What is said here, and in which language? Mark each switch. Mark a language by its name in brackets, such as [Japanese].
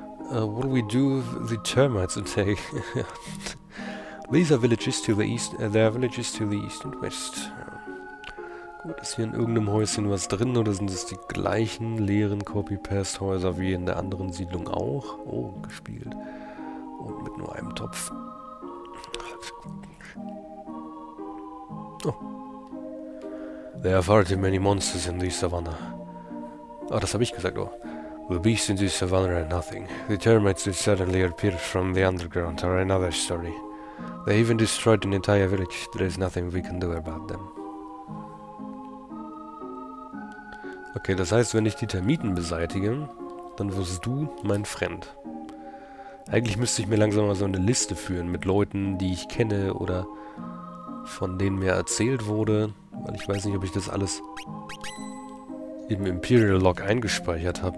[English] What do we do with the termites attack? These are villages to the east. There are villages to the east and west. [German] Gut, ist hier in irgendeinem Häuschen was drin oder sind es die gleichen leeren Copy-Paste-Häuser wie in der anderen Siedlung auch? Oh, gespiegelt. Und mit nur einem Topf. Oh. [English] There are far too many monsters in this savanna. [German] Ah, das habe ich gesagt, oh. [English] The beasts in this savanna are nothing. The termites that suddenly appeared from the underground are another story. They even destroyed an entire village. There is nothing we can do about them. [German] Okay, das heißt, wenn ich die Termiten beseitige, dann wirst du mein Freund. Eigentlich müsste ich mir langsam mal so eine Liste führen mit Leuten, die ich kenne oder von denen mir erzählt wurde, weil ich weiß nicht, ob ich das alles im Imperial Log eingespeichert habe.